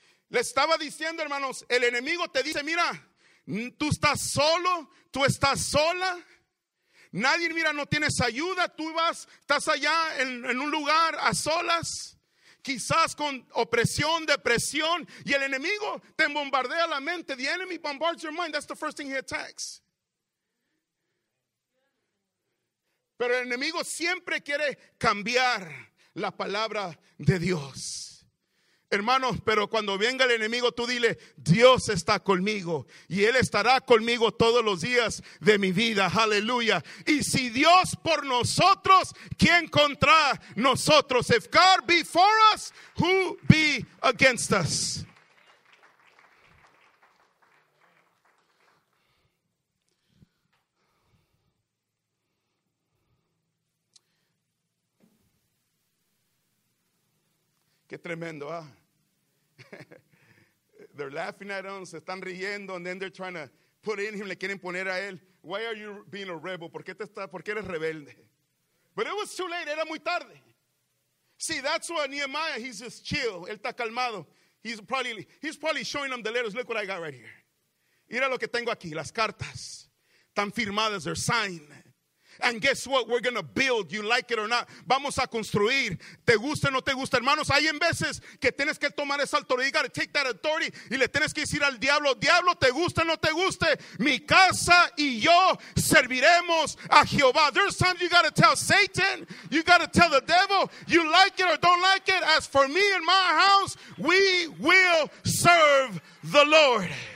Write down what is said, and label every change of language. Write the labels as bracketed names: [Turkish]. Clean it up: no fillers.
[Spanish] Le estaba diciendo, hermanos, el enemigo te dice, mira, tú estás solo, tú estás sola. Nadie, mira, no tienes ayuda. Tú vas, estás allá en un lugar a solas, quizás con opresión, depresión. Y el enemigo te bombardea la mente. [English] The enemy bombards your mind. That's the first thing he attacks. [Spanish] Pero el enemigo siempre quiere cambiar la palabra de Dios. Hermanos, pero cuando venga el enemigo, tú dile: Dios está conmigo y Él estará conmigo todos los días de mi vida. Aleluya. Y si Dios por nosotros, ¿quién contra nosotros? [English] If God be for us, who be against us? [Spanish] Qué tremendo, ¿ah? [English] They're laughing at him, [Spanish] se están riendo, [English] and then they're trying to put in him, [Spanish] le quieren poner a él. [English] Why are you being a rebel? [Spanish] ¿Por qué te está, por qué eres rebelde? [English] But it was too late, [Spanish] era muy tarde. [English] See, that's what Nehemiah, he's just chill, [Spanish] él está calmado. [English] He's probably showing them the letters. Look what I got right here. [Spanish] Mira lo que tengo aquí, las cartas. Están firmadas, [English] they're signed. And guess what? We're going to build, you like it or not. [Spanish] Vamos a construir. Te guste o no te guste, hermanos. Hay en veces que tienes que tomar esa autoridad. [English] You got to take that authority. [Spanish] Y le tienes que decir al diablo: diablo, te guste o no te guste, mi casa y yo serviremos a Jehová. [English] There's times you got to tell Satan, you got to tell the devil, you like it or don't like it, as for me and my house, we will serve the Lord.